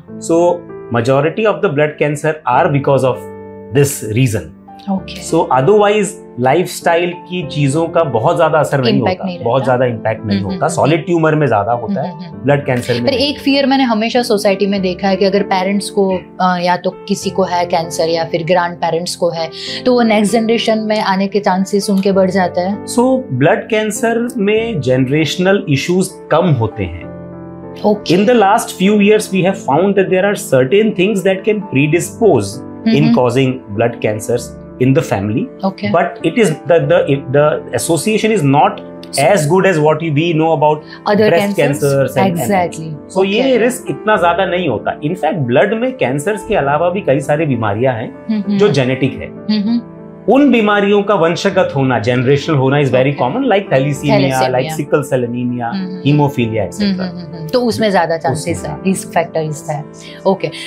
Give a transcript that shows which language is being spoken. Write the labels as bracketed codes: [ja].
[en] So majority of the blood cancer are because of this reason. [hi] So otherwise lifestyle की चीजों का बहुत ज्यादा असर नहीं होता, बहुत ज्यादा इंपैक्ट नहीं होता। सॉलिड ट्यूमर में ज्यादा होता है, ब्लड कैंसर में। पर एक फियर मैंने हमेशा सोसाइटी में देखा है कि अगर पेरेंट्स को या तो किसी को है कैंसर या फिर ग्रैंड पेरेंट्स को है तो वो नेक्स्ट जनरेशन में आने के चांसेस उनके बढ़ जाते हैं। सो ब्लड कैंसर में जनरेशनल इश्यूज कम होते हैं। [en] In the last few years we have found that there are certain things that can predispose in causing blood cancers in the family, okay. But it is the association is not as good as what we know about other breast cancers. Exactly. [hi] So ये risk इतना ज़्यादा नहीं होता. In fact, blood में cancers के अलावा भी कई सारे बीमारियाँ हैं जो genetic है. उन बीमारियों का वंशगत होना, [en] generational होना is very common, like thalassemia, like sickle cell anemia, hemophilia, etc. [hi] तो उसमें ज़्यादा chances है, risk factors है. Okay.